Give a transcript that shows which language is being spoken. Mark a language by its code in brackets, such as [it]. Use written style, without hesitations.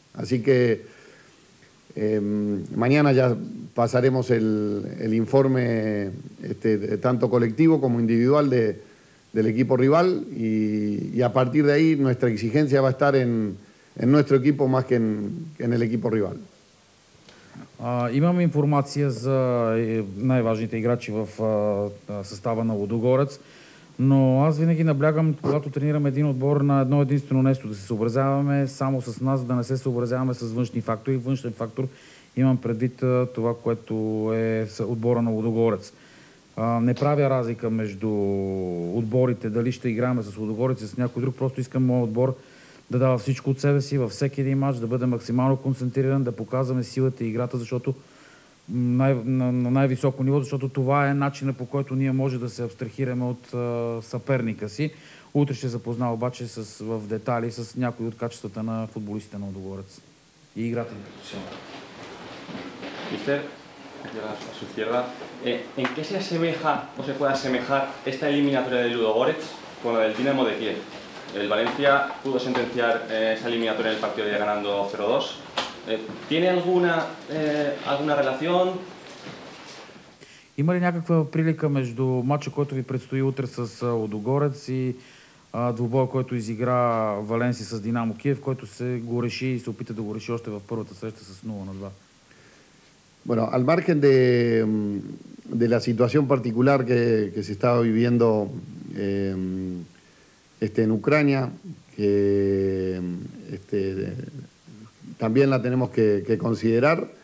[es] Así que mañana ya pasaremos el informe tanto colectivo como individual del equipo rival y a partir de ahí nuestra exigencia va a estar en nuestro equipo más que en el equipo rival. [bg] Имам информация за най-важните играчи в състава на Лудогорец. Но аз винаги наблягам, когато тренирам един отбор на едно единствено нещо, да се съобразяваме само с нас, да не се съобразяваме с външни фактори. Външен фактор имам предвид това, което е отбора на Лудогорец. Не правя разлика между отборите, дали ще играем с Лудогорец и с някой друг. Просто искам моят отбор да дава всичко от себе си във всеки един матч, да бъде максимално концентриран, да показваме силата и играта, защото на най-високо ниво, защото това е начинът, по който ние може да се абстрахираме от съперника си. Утре ще запознава обаче в детали с някои от качествата на футболистите на Лудогорец и играта. [es] Мистер, gracias, su izquierda. En qué se asemeja o se puede asemejar esta eliminatoria de Lludogorets con la del Dinamo de Kiev? El Valencia pudo sentenciar esa eliminatoria en el partido de ganando 0-2. Tiene alguna relación? [bg] Има ли някаква прилика между матча, който ви предстои утре с Лудогорец и двубоя, който изигра Валенси с Динамо Киев, който се го реши и се опита да го реши още в първата среща с 0-2? [es] Bueno, al margen de la situación particular que se estaba viviendo en Ucrania, que también la tenemos que considerar.